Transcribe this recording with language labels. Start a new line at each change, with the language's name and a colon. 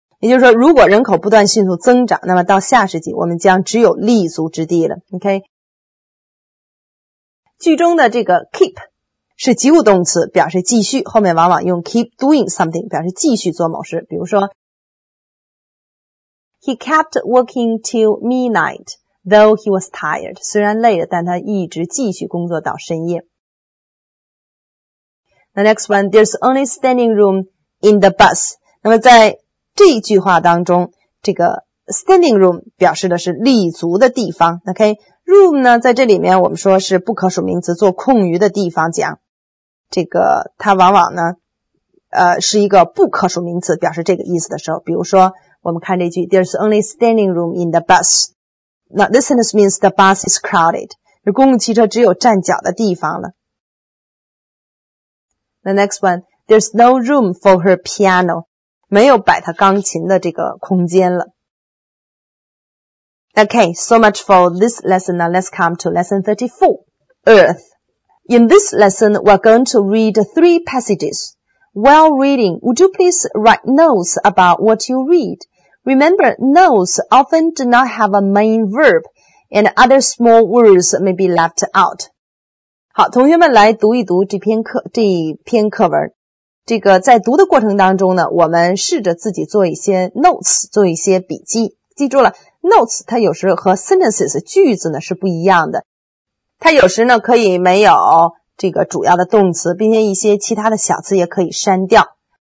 Chinese: 也就是说，如果人口不断迅速增长，那么到下世纪，我们将只有立足之地了。
English: OK?
Chinese: 句中的这个 keep 是及物动词，表示继续，后面往往用 keep doing something 表示继续做某事。
English: 比如说 He kept working till midnight. Though he was tired,
Chinese: 虽然累了，但他一直继续工作到深夜。
English: The next one, there's only standing room in the bus.
Chinese: 那么在这一句话当中，这个 standing room 表示的是立足的地方。 OK, room 呢，在这里面我们说是不可数名词，做空余的地方讲。这个它往往呢，是一个不可数名词，表示这个意思的时候，比如说我们看这句 ，
English: there's only standing room in the bus. Now, this sentence means the bus is crowded.
Chinese: 公共汽车只有站脚的地方了。
English: The next one, there's no room for her piano.
Chinese: 没有摆她钢琴的这个空间了。
English: Okay, so much for this lesson. Now, let's come to lesson 34, Earth. In this lesson, we're going to read three passages. While reading, would you please write notes about what you read? Remember, notes often do not have a main verb, and other small words may be left out.
Chinese: 好，同学们来读一读这篇课文。这个在读的过程当中呢，我们试着自己做一些 notes, 做一些笔记。记住了 ,notes 它有时和 sentences, 句子呢是不一样的。它有时呢可以没有这个主要的动词，并且一些其他的小词也可以删掉。